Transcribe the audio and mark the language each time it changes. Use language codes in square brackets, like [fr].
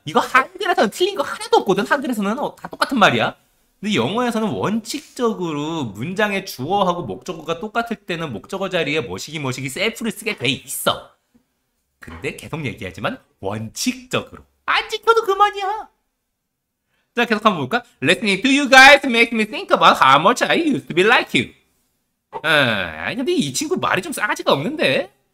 [ko] 이거 한글에서는 틀린 거 하나도 없거든. 한글에서는 다 똑같은 말이야. 근데 영어에서는 원칙적으로 문장의 주어하고 목적어가 똑같을 때는 목적어 자리에 뭐시기 뭐시기 셀프를 쓰게 돼 있어. 근데 계속 얘기하지만 원칙적으로 안 지켜도 그만이야. 자, 계속 한번 볼까? [en] Listening to you guys makes me think about how much I used to be like you. [ko] 아, 근데 이 친구 말이 좀 싸가지가 없는데?